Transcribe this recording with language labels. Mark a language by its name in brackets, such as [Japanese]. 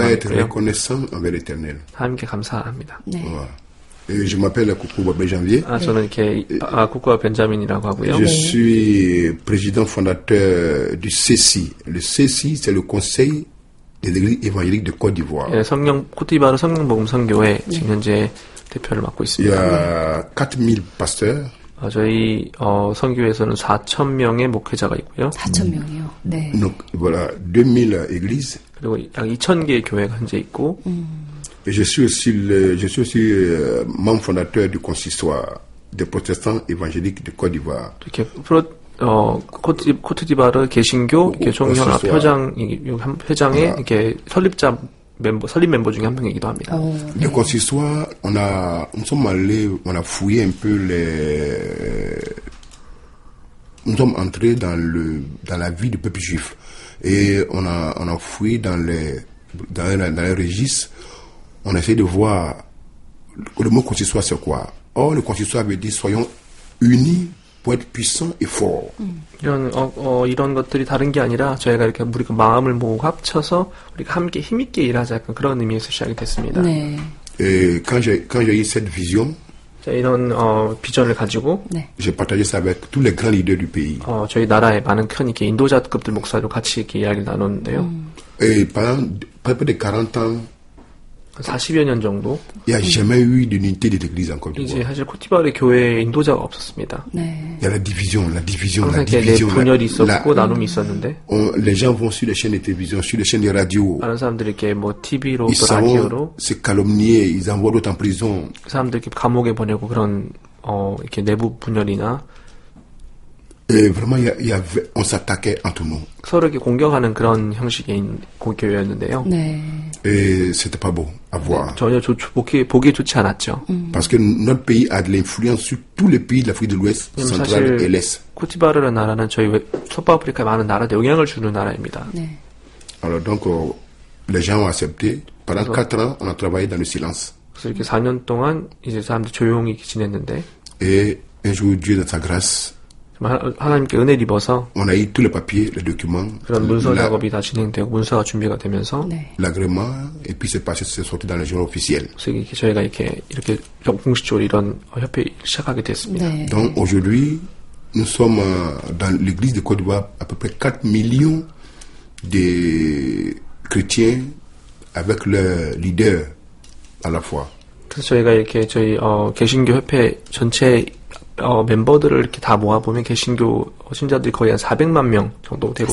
[French] On doit être reconnaissant envers l'Éternel. [Korean] 하나님께 감사합니다. 네. [French] Je m'appelle Koukouba Benjamin. [Korean] 아, 저는 이렇게 Koukouba Benjamin이라고 하고요. [French] Je suis président fondateur du CECI. Le CECI, c'est le Conseil des Églises Évangéliques de Côte d'Ivoire. [Korean] 성령 코트디부아르 성령 복음 선교회 지금 현재 대표를 맡고 있습니다. [French] 4,000 pasteur. [Korean] 저희 선교회에서는 4,000명의 목회자가 있고요. 4,000명이요. 네. [French] No, voilà, 2,000 églises. [Korean] 그리고 약 2,000개의 교회가 현재 있고. [French] Je suis aussi membre fondateur du consistoire des protestants évangéliques de Côte d'Ivoire. [Korean] 이렇게 코트디부아르 개신교 총연합 회장 회장의 이렇게 설립자 멤버 설립 멤버 중에 한 명이기도 합니다. 네. [French] Donc ce soir, on a, nous sommes allés, on a fouillé un peu les, nous sommes entrés dans le, dans la vie du peuple juif et on a fouillé dans les, dans les, dans les registres. On essaie de voir le mot consistoire, c'est quoi. Or, le consistoire veut dire soyons unis pour être puissants et forts. [Korean] 이런 이런 것들이 다른 게 아니라 저희가 이렇게 우리가 마음을 모으고 합쳐서 우리가 함께 힘 있게 일하자 그런 의미에서 시작이 됐습니다. 네. [French] Quand j'ai eu cette vision, [Korean] 이런 비전을 가지고, 네. [French] J'ai partagé ça avec tous les grands leaders du pays. [Korean] 저희 나라의 많은 큰 이렇게 인도자급들 목사들 같이 이렇게 이야기를 나눴는데요. [French] Et pendant près de 40 ans. [Korean] 40여 년 정도. [French] 야, jamais eu d'unité de l'église en Côte d'Ivoire. [Korean] 이제 사실 코티바르 교회에 인도자가 없었습니다. 네. [French] Y a la division. [Korean] 항상 분열이 있었고 나눔이 있었는데. [French] Les gens vont sur les chaînes de télévision, sur les chaînes de radio. [Korean] 많은 사람들이 이렇게 뭐 TV로, 또 라디오로. [French] C'est calomnié, ils envoient d'autres en prison. [Korean] 사람들 이렇게 감옥에 보내고 그런 이렇게 내부 분열이나. [French] Et vraiment, on s'attaquait entre nous. [Korean] 서로 이렇게 공격하는 그런 형식의 교회였는데요. 네. [French] Et c'était pas beau à voir. [Korean] 전혀 보기 좋지 않았죠. [French] Parce que notre pays a de l'influence sur tous les pays de l'Afrique de l'Ouest, centrale et l'Est. [Korean] 코티바르라는 나라는 저희 서아프리카의 많은 나라에 영향을 주는 나라입니다. 네. [French] Alors donc, les gens ont accepté. Pendant 4 ans, on a travaillé dans le silence. [Korean] 그래서 이렇게 4년 동안 이제 사람들 조용히 지냈는데. [French] Et un jour, Dieu dans sa grâce. [Korean] 하나님께 은혜 입어서 [French] on a eu tous les papiers, les documents, [Korean] 그런 문서 la, 작업이 다 진행되고 문서가 준비가 되면서 [French] l'agrément et puis c'est passé c'est sorti dans le journal officiel. [Korean] 그래서 저희가 이렇게 공식적으로 이런 협회 시작하게 됐습니다. 네. [French] Donc aujourd'hui nous sommes dans l'église de Côte d'Ivoire à peu près 4 millions de chrétiens avec leur leader à la fois. [Korean] 그래서 저희가 이렇게 저희 개신교 협회 전체 멤버들을 이렇게 다 모아보면 개신교 신자들이 거의 한 400만 명 정도 되고